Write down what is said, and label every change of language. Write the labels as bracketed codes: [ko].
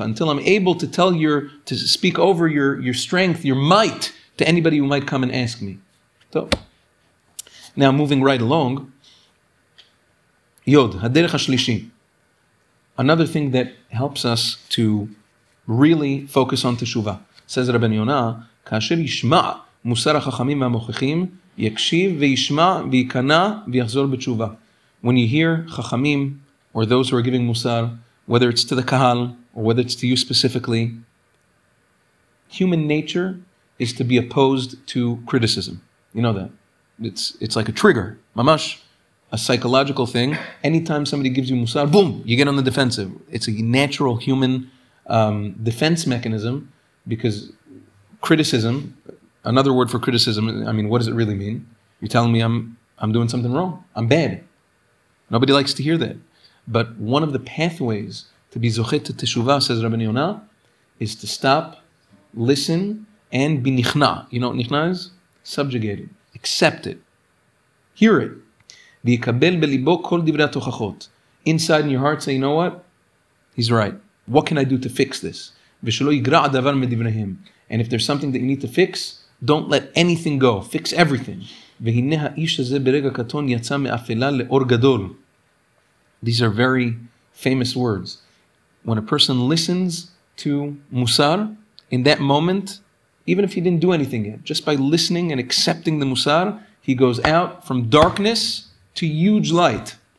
[en] Until I'm able to tell your, to speak over your strength, your might, to anybody who might come and ask me. So, now moving right along. [he] Yod, haderech ha-shlishi. [en] Another thing that helps us to really focus on teshuvah. Says Rabban Yonah, [he] כאשר ישמע מוסר החכמים והמוכחים, יקשיב וישמע ויקנע ויחזור בתשובה. [en] When you hear חכמים, or those who are giving מוסר, whether it's to the kahal, or whether it's to you specifically, human nature is to be opposed to criticism. You know that. It's like a trigger. Mamash. A psychological thing. Anytime somebody gives you musar, boom, you get on the defensive. It's a natural human defense mechanism because criticism, another word for criticism, I mean, what does it really mean? You're telling me I'm doing something wrong. I'm bad. Nobody likes to hear that. But one of the pathways to be zochet to teshuvah, says Rabban Yonah, is to stop, listen, and be nichna. You know what nichna is? Subjugated. Accept it. Hear it. [he] ויקבל בליבו כל דברי התוכחות. [en] Inside in your heart, say, you know what? He's right. What can I do to fix this? [he] ושלא יגרע הדבר מדבריהם. [en] And if there's something that you need to fix, don't let anything go. Fix everything. [he] והנה האיש הזה ברגע קטון יצא מאפלה לאור גדול. [en] These are very famous words. When a person listens to מוסר, in that moment, even if he didn't do anything yet, just by listening and accepting the מוסר, he goes out from darkness to huge light.